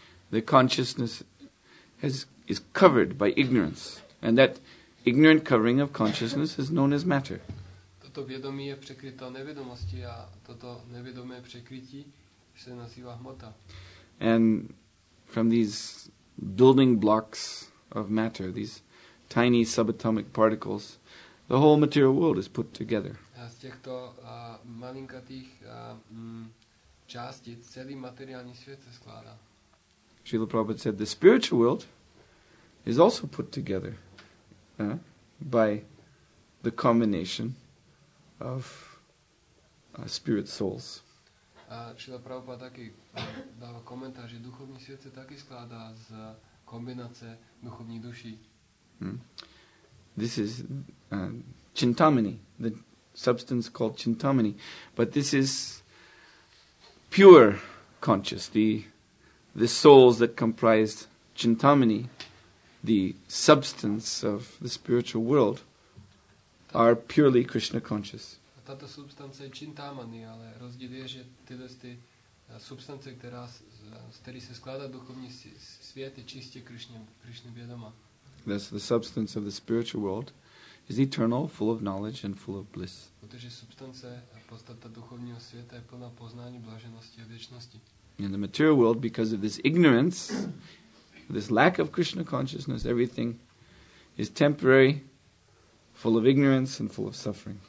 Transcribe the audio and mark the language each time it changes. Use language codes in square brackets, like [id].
[en] The consciousness is covered by ignorance, and that ignorant covering of consciousness is known as matter. [cs] Toto vědomí je překryto nevědomostí a toto nevědomé překrytí se nazývá hmota. [en] And from these building blocks of matter, these tiny subatomic particles, the whole material world is put together. [cs] A z těchto malinkatých částic celý materiální svět se skládá. [en] Srila Prabhupada said the spiritual world is also put together by the combination of spirit souls. [cs] Srila Prabhupada taky dává komentář, že duchovní svět se taky skládá z kombinace duchovní duší. Hmm. [en] This is Chintamani, the substance called Chintamani, but this is pure conscious, the souls that comprise Chintamani, the substance of the spiritual world, are purely Krishna conscious. [cs] Tato substance je Chintamani, ale rozdíl je, že tyhle substance, která z které se skládá duchovní svět, je čistě Krishna vědomá. [en] Thus the substance of the spiritual world is eternal, full of knowledge and full of bliss. [cs] Protože substance a podstata duchovního světa je plná poznání, blaženosti a věčnosti. [en] In the material world, because of this ignorance, this lack of Krishna consciousness, everything is temporary, full of ignorance and full of suffering.